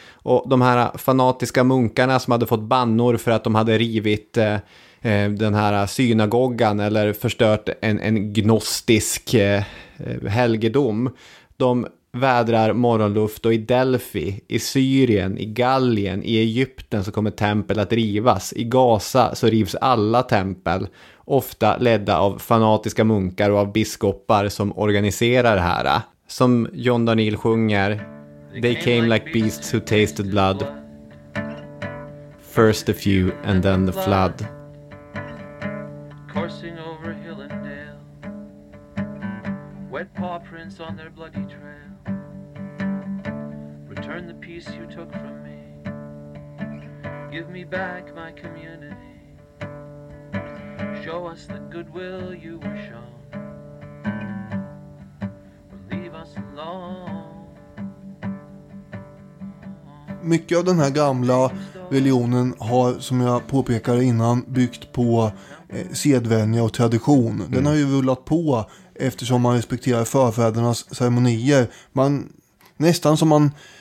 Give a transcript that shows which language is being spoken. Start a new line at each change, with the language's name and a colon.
Swedish: Och de här fanatiska munkarna som hade fått bannor för att de hade rivit den här synagogan eller förstört en gnostisk helgedom, de vädrar morgonluft, och i Delfi, i Syrien, i Gallien, i Egypten så kommer tempel att rivas. I Gaza så rivs alla tempel, ofta ledda av fanatiska munkar och av biskopar som organiserar det här. Som John Darnielle sjunger:
English: "They came like beasts who tasted blood, first the few and then the flood." Coursing over hill and dale, wet paw prints on their bloody trail. Return the peace you took from me, give me back my community. Show us the goodwill you were shown, or leave us alone.
Swedish: Mycket av den här gamla religionen har, som jag påpekade innan, byggt på sedvänja och tradition. Mm. Den har ju rullat på eftersom man respekterar förfädernas ceremonier. Man, nästan som man